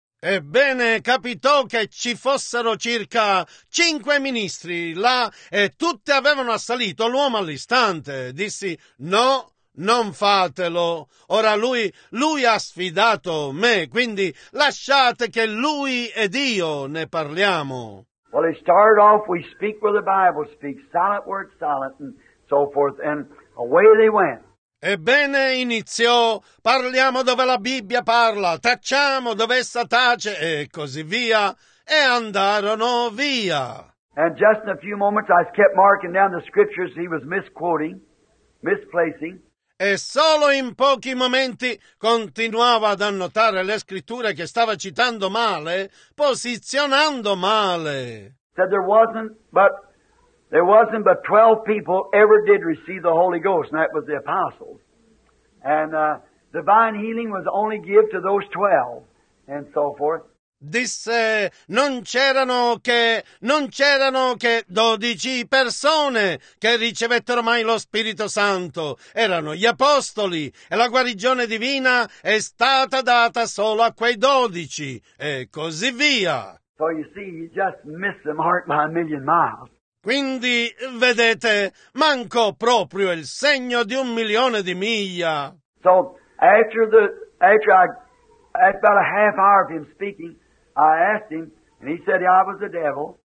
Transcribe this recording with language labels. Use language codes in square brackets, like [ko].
[it] Ebbene, capitò che ci fossero circa cinque ministri là e tutte avevano assalito l'uomo all'istante. Dissi, no, non fatelo. Ora lui ha sfidato me, quindi lasciate che lui ed io ne parliamo. [en] Well, it started off, we speak where the Bible speaks, silent word, silent, and so forth, and away they went. [it] Ebbene, iniziò, parliamo dove la Bibbia parla, tacciamo dove essa tace, e così via, e andarono via. [en] And just in a few moments I kept marking down the scriptures he was misquoting, misplacing. [it] E solo in pochi momenti continuava ad annotare le scritture che stava citando male, posizionando male. [en] Said there wasn't but 12 people ever did receive the Holy Ghost, and that was the apostles. And divine healing was only given to those 12, and so forth. [it] Disse, non c'erano che 12 persone che ricevettero mai lo Spirito Santo. Erano gli apostoli, e la guarigione divina è stata data solo a quei 12, e così via. [en] So you see, you just missed the mark by a million miles. [it] Quindi, vedete, mancò proprio il segno di un milione di miglia. [en] So, after about a half hour of him speaking, I asked him, and he said I was the devil.